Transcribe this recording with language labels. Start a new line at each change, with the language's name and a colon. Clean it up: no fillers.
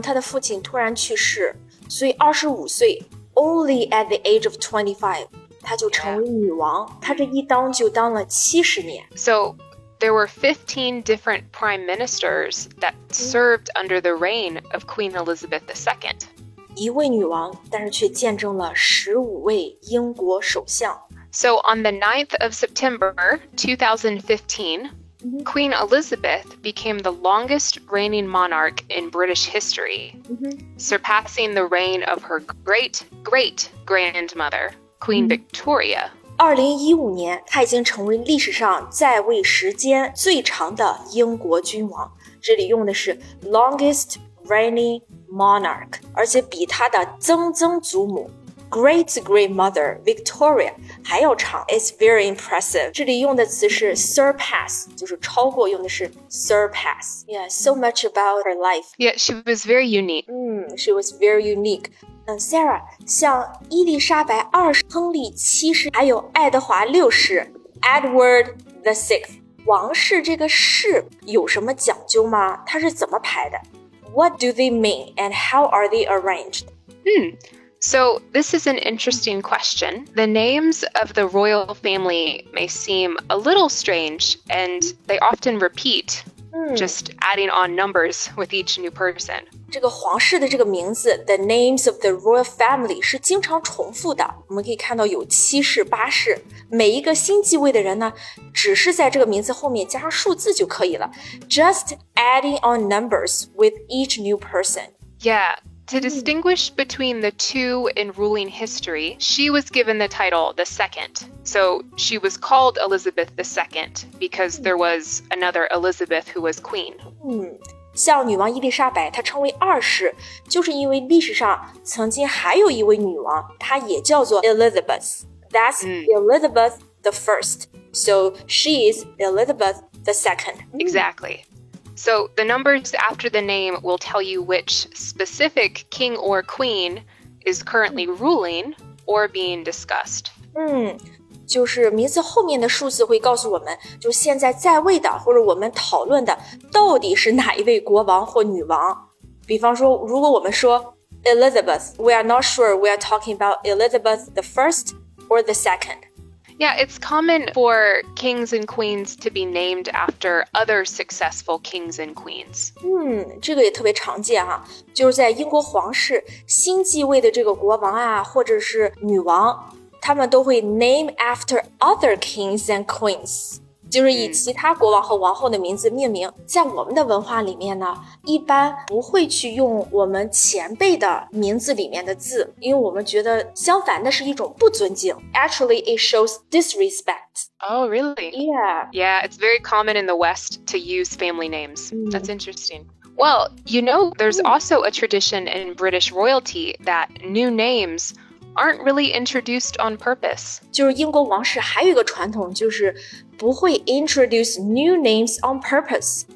Chinese: 她的父亲突然去世，所以25岁
English: only at the age of 25,
Chinese: 她就成为女王。她这一当就当了70年。
English: So, there were 15 different prime ministers that served under the reign of Queen Elizabeth II.
Chinese: 一位女王，但是却见证了15位英国首相。
English: So, on the 9th of September, 2015,Queen Elizabeth became the longest reigning monarch in British history, surpassing the reign of her great-great-grandmother, Queen Victoria.
Chinese: 2015年，她已经成为历史上在位时间最长的英国君王。这里用的是
English: longest reigning monarch,
Chinese: 而且比她的曾曾祖母
English: Great-great-mother Victoria
Chinese: 还要长
English: It's very impressive
Chinese: 这里用的词是 surpass 就是超过用的是 surpass
English: Yeah, so much about her life Yeah, she was very unique She was very unique
Chinese: Sarah, 像伊丽莎白二世亨利七世还有爱德华六世
English: Edward the Sixth
Chinese: 王室这个世有什么讲究吗它是怎么排的
English: What do they mean and how are they arranged? So, this is an interesting question. The names of the royal family may seem a little strange, and they often repeat, just adding on numbers with each new person.
Chinese: 这个皇室的这个名字,
English: the names of the royal family,
Chinese: 是经常重复的。我们可以看到有七世、八世。每一个新继位的人呢,只是在这个名字后面加上数字就可以了。
English: Just adding on numbers with each new person. Yeah. To distinguish between the two in ruling history, she was given the title the second. So she was called Elizabeth the second because there was another Elizabeth who was queen.
Chinese: 像女王伊丽莎白，她称为二世，就是因为历史上曾经还有一位女王，她也叫做 Elizabeth.
English: That's Elizabeth the first. So she is Elizabeth the second. Exactly. So, the numbers after the name will tell you which specific king or queen is currently ruling or being discussed.
Chinese: 就是名字后面的数字会告诉我们就现在在位的或者我们讨论的到底是哪一位国王或女王。比方说如果我们说
English: Elizabeth, we are not sure we are talking about Elizabeth the first or the second. Yeah, it's common for kings and queens to be named after other successful kings and queens.
Chinese: 这个也特别常见哈，就是在英国皇室新继位的这个国王啊，或者是女王，他们都会
English: name after other kings and queens，
Chinese: 就是以其他国王和王后的名字命名。在我们的文化里面呢，一般不会去用我们前辈的名字里面的字，因为我们觉得相反的是一种不尊敬。
English: Actually, it shows disrespect. Oh, really? Yeah. Yeah, it's very common in the West to use family names. That's interesting. Well, you know, there's also a tradition in British royalty that new names aren't really introduced on purpose.
Chinese: 就是英国王室还有一个传统，就是不会
English: introduce new names on purpose.